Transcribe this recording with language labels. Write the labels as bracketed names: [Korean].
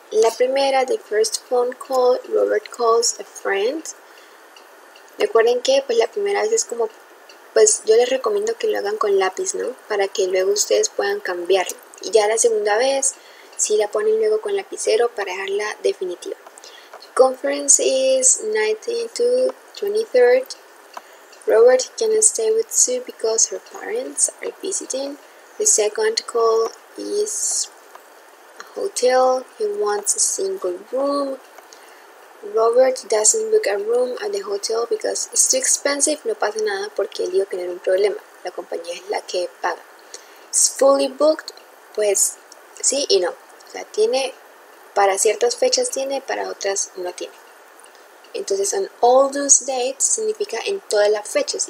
[Spanish] La primera, [English] the first phone call, Robert calls a friend. [Spanish] Recuerden que pues la primera vez es como, pues yo les recomiendo que lo hagan con lápiz, ¿no? Para que luego ustedes puedan cambiarlo. Y ya la segunda vez, si la ponen luego con lapicero para dejarla definitiva. [English] Conference is 19th to 23rd. Robert cannot stay with Sue because her parents are visiting. The second call is a hotel. He wants a single room. Robert doesn't book a room at the hotel because it's too expensive. [Spanish] No pasa nada porque él iba a tener un problema. La compañía es la que paga. [English] It's fully booked. [Spanish] Pues sí y no. O sea, tiene para ciertas fechas tiene, para otras no tiene. Entonces, [English] on all those dates [Spanish] significa en todas las fechas.